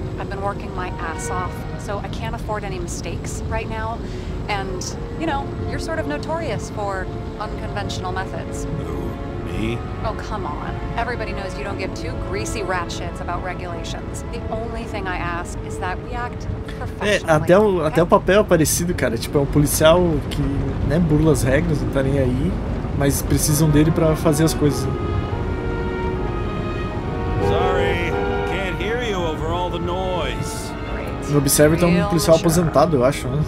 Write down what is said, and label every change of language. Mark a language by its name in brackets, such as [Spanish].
[English] I've been working my ass off, so I can't afford any mistakes right now. And, you know, you're sort of notorious for unconventional methods. Me? Oh, come on. Everybody knows you don't give two greasy rat shits about regulations. The only thing I ask is that we act professionally. [Portuguese] Até o papel é parecido, cara. Tipo, é um policial que, né, burla as regras, não tá nem aí. Mas precisam dele para fazer as coisas. [English] Sorry, can't hear you over all the noise. [Portuguese] No Observer tem um policial aposentado, eu acho, né?